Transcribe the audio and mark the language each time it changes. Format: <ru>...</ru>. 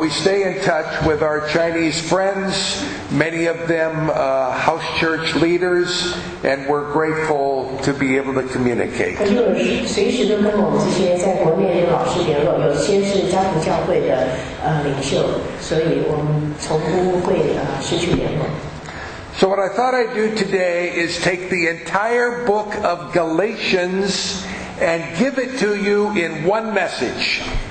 <en>we stay in touch with our Chinese friends, many of them house church leaders, and we're grateful to be able to communicate.</en> <zh>随时都跟我们这些在国内的老师联络，有些是家族教会的领袖，所以我们从不会失去联络。</zh> <en>So what I thought I'd do today is take the entire book of Galatians and give it to you in one message.</en>